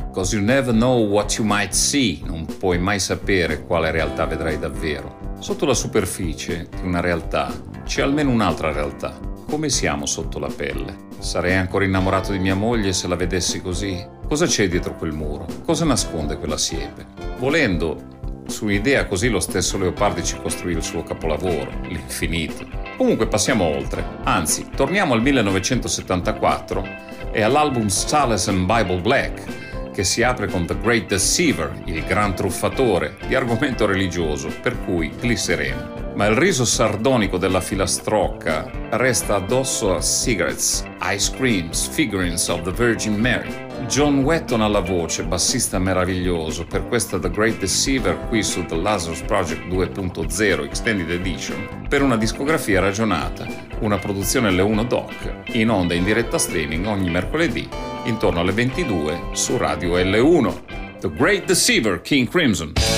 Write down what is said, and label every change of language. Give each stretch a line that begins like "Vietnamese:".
English: Cause you never know what you might see.
Italian: Non puoi mai sapere quale realtà vedrai davvero. Sotto la superficie di una realtà c'è almeno un'altra realtà. Come siamo sotto la pelle? Sarei ancora innamorato di mia moglie se la vedessi così? Cosa c'è dietro quel muro? Cosa nasconde quella siepe? Volendo, su un'idea così lo stesso Leopardi ci costruì il suo capolavoro, l'infinito. comunque passiamo oltre. Anzi, torniamo al 1974 e all'album Stales and Bible Black, che si apre con The Great Deceiver, il gran truffatore, di argomento religioso, per cui glisseremo. Ma il riso sardonico della filastrocca resta addosso a Cigarettes, Ice Creams, Figurines of the Virgin Mary. John Wetton alla voce, bassista meraviglioso, per questa The Great Deceiver qui su The Lazarus Project 2.0 Extended Edition, per una discografia ragionata, una produzione L1 Doc, in onda in diretta streaming ogni mercoledì, intorno alle 22 su Radio L1.
English: The Great Deceiver, King Crimson.